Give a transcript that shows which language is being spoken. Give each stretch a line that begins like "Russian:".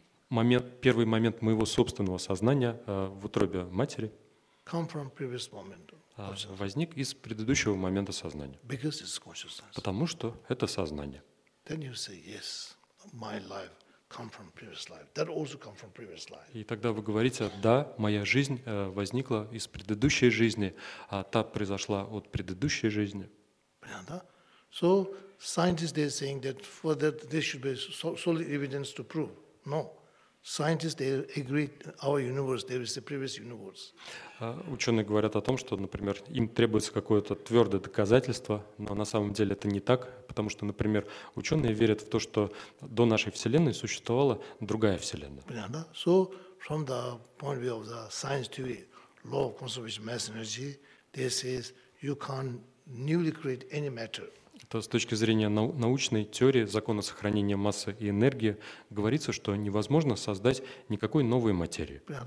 Russian: Момент, первый момент моего собственного сознания в утробе матери.
English: Come from previous moment.
Russian: Возник из предыдущего момента сознания.
English: Because it's consciousness.
Russian: Потому что это сознание.
English: Then you say yes, my life come from previous life. That also come from previous life.
Russian: И тогда вы говорите, да, моя жизнь возникла из предыдущей жизни, а та произошла от предыдущей жизни. Понятно?
English: So scientists they're saying that for that there should be solid evidence to prove. No. Scientists they agree our universe there is a previous universe.
Russian: Ученые говорят о том, что, например, им требуется какое-то твердое доказательство, но на самом деле это не так, потому что, например, ученые верят в то, что до нашей вселенной существовала другая вселенная. Понятно, да?
English: So from the point of view of the science theory, law of conservation of mass energy, they say you can't newly create any matter.
Russian: С точки зрения научной теории закона сохранения массы и энергии говорится, что невозможно создать никакой новой материи.